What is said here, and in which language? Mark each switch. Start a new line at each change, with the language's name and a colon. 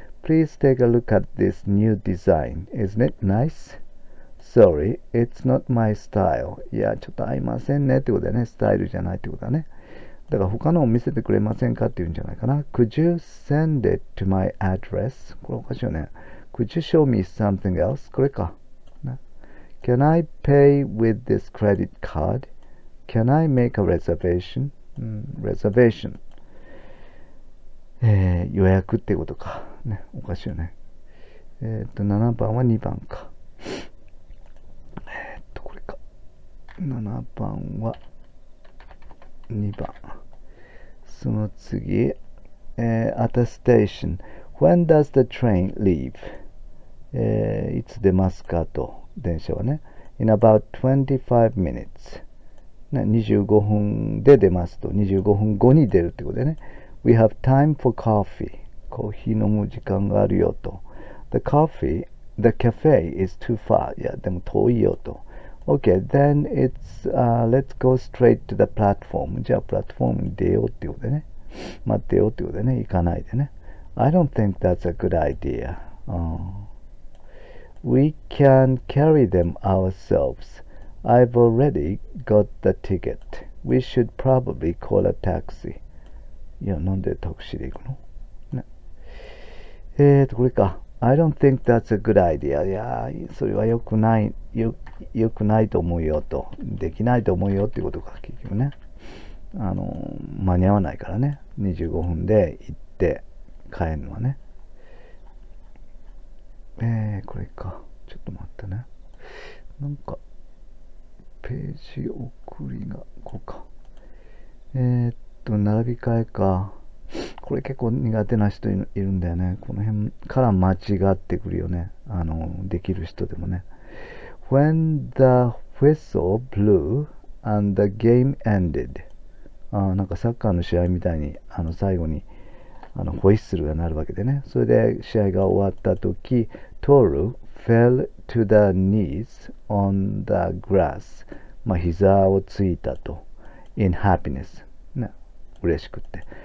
English: Please take a look at this new design. Isn't it nice? Sorry, it's not my style.
Japanese: いや、ちょっと合いませんねってことだね。スタイルじゃないってことだね。だから他のを見せてくれませんかって言うんじゃないかな。
English: Could you send it to my address?
Japanese: これおかしいよね。
English: Could you show me something else?
Japanese: これか。
English: Can I pay with this credit card? Can I make a reservation?、reservation.、
Japanese: 予約ってことか。ね、おかしいよね。 7番は2番か。これか。7番は2番。その次、
English: at a station. When does the train leave?、
Japanese: いつ出ますかと、電車はね。
English: In about 25 minutes.、
Japanese: ね、25分で出ますと、25分後に出るってことでね。
English: We have time for coffee.
Japanese: コーヒー飲む時間があるよと。
English: The coffee, the cafe is too far.
Japanese: いや、でも遠いよと。
English: Okay, then it's, let's go straight to the platform.
Japanese: じゃあ、プラットフォームに出ようってことでね。待ってようってことでね。行かないでね。
English: I don't think that's a good idea.、We can carry them ourselves. I've already got the ticket. We should probably call a taxi.
Japanese: いや、なんでタクシーで行くの? ね。これか。
English: I don't think that's a good idea.
Japanese: いやー、それは良くない。よくないと思うよと、できないと思うよっていうことか、結局ね。間に合わないからね。25分で行って帰るのはね。これか。ちょっと待ってね。なんか、ページ送りが、こうか。並び替えか。これ結構苦手な人いるんだよね。この辺から間違ってくるよね。できる人でもね。
English: When the whistle blew and the game ended.
Japanese: なんかサッカーの試合みたいに、最後に、ホイッスルが鳴るわけでね。それで試合が終わったとき、
English: Toru fell to the knees on the grass.
Japanese: まあ、膝をついたと。
English: In happiness.
Japanese: ね。嬉しくって。